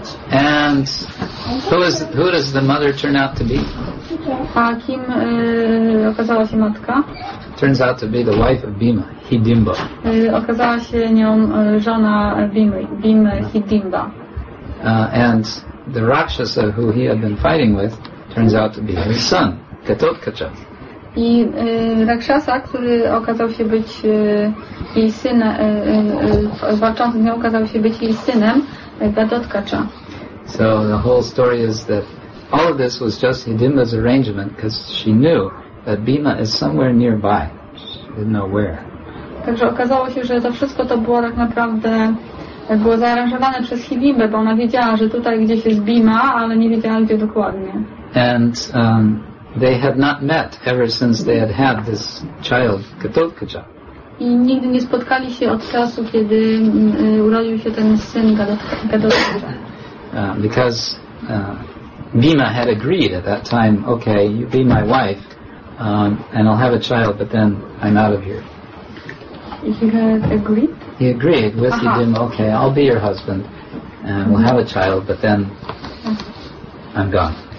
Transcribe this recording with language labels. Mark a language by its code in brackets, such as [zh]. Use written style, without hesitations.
[en] And who does the mother turn out to be? [pl] A kim okazała się matka? [en] Turns out to be the wife of Bhima, Hidimba. [pl] Okazała się nią żona Bhimy, Hidimba. [en] And the Rakshasa who he had been fighting with turns out to be his son, Ghatotkacha. [pl] I Rakshasa, który okazał się być jej synem, walczący z nią okazał się być jej synem, Ghatotkacha. [en] So the whole story is that all of this was just Hidimba's arrangement because she knew that Bhima is somewhere nearby. She didn't know where. [pl] Także okazało się, że to wszystko to było tak naprawdę było zaaranżowane przez Hidimbę, bo ona wiedziała, że tutaj gdzieś jest Bhima, ale nie wiedziała gdzie dokładnie. [en] And they had not met ever since they had had this child, Ghatotkacha. [pl] I nigdy nie spotkali się od czasu, kiedy urodził się ten syn Ghatotkacha. [en] Because Bhima had agreed at that time, okay, you be my wife, and I'll have a child, but then I'm out of here. He had agreed? He agreed with Hidimba, okay, I'll be your husband, and we'll have a child, but then I'm gone.